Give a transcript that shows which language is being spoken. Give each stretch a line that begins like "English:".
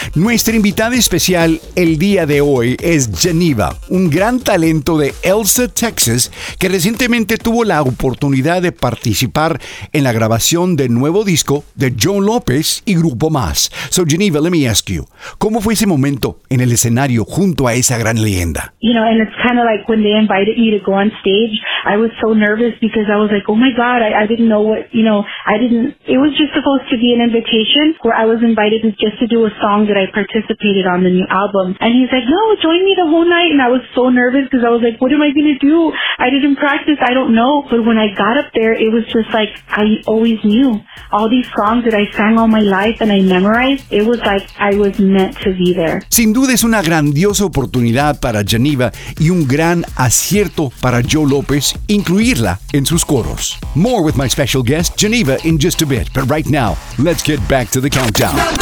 Spanish: Nuestra invitada especial el día de hoy es Geneva, un gran talento de Elsa, Texas, que recientemente tuvo la oportunidad de participar en la grabación del nuevo disco de Joe López y Grupo Más.
English: So, Geneva, let me ask you,
Spanish: ¿cómo fue ese momento en el escenario junto a esa gran leyenda?
English: You know, and it's kind of like when they invited you to go on stage, I was so nervous because I was like, oh my God, I didn't know what, you know, I didn't, it was just supposed to be an invitation where I was invited just to do a song that I participated on the new album. And he's like, no, join me the whole night. And I was so nervous because I was like, what am I going to do? I didn't practice. I don't know. But when I got up there, it was just like, I always knew all these songs that I sang all my life and I memorized. It was like, I was meant to be there.
Spanish: Sin duda es una grandiosa oportunidad para Geneva y un gran acierto para Joe López incluirla en sus coros.
English: More with my special guest, Geneva, in just a bit. But right now, let's get back to the countdown.